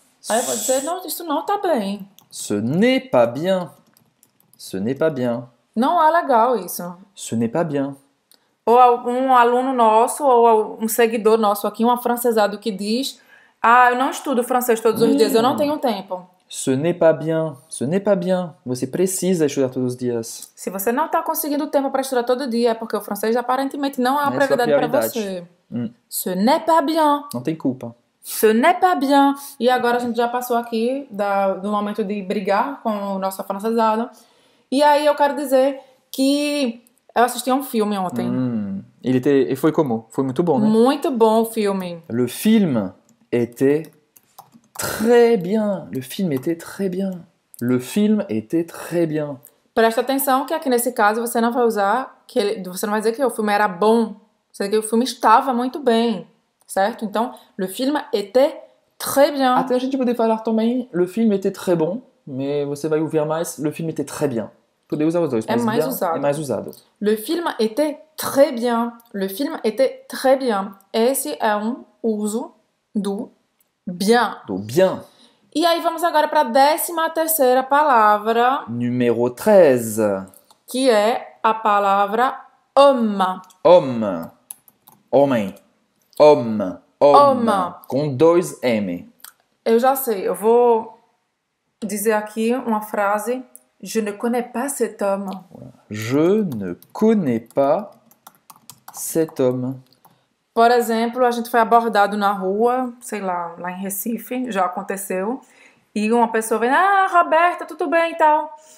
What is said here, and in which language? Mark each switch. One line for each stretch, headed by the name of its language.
Portuguese: Aí eu vou dizer, não, isso não está bem.
French: Ce n'est pas bien. Ce n'est pas bien.
Portuguese: Não é legal isso.
French: Ce n'est pas bien.
Portuguese: Ou algum aluno nosso, ou um seguidor nosso aqui, um afrancesado que diz, ah, eu não estudo francês todos os dias, eu não tenho tempo.
French: Ce n'est pas bien, ce n'est pas bien.
Portuguese: Você precisa estudar todos os dias. Se você não está conseguindo tempo para estudar todo dia, é porque o francês aparentemente não é uma prioridade para você.
French: Ce n'est pas bien.
Portuguese: Não tem culpa.
French: Ce n'est pas bien.
Portuguese: E agora a gente já passou aqui do momento de brigar com o nosso afrancesado. E aí eu quero dizer que eu assisti a um filme ontem. E foi como? Foi muito bom, né? Muito bom o filme.
French: Le film était... Très bien, le film était très bien. Le film était très bien.
Portuguese: Presta atenção que aqui nesse caso você não vai usar, você não vai dizer que o filme era bom, você diz que o filme estava muito bem, certo?
French: Então, le film était très bien.
Portuguese: Até a gente poder falar também,
French: le film était très bon,
Portuguese: mas você vai ouvir mais,
French: le film était très bien.
Portuguese: Poder usar os dois, é mais bien, usado. É mais usado.
French: Le film était très bien. Le film était très bien.
Portuguese: Esse é um uso do... Bien. Do bien. E aí vamos agora para a 13ª palavra. Número 13. Que é a palavra homme.
French: Homme. Homem. Homme. Homme. Homme.
Portuguese: Com dois M. Eu já sei. Eu vou dizer aqui uma frase.
French: Je ne connais pas cet homme. Je ne connais pas cet homme.
Portuguese: Por exemplo, a gente foi abordado na rua, sei lá, lá em Recife, já aconteceu. E uma pessoa vem, ah, Roberta, tudo bem e tal.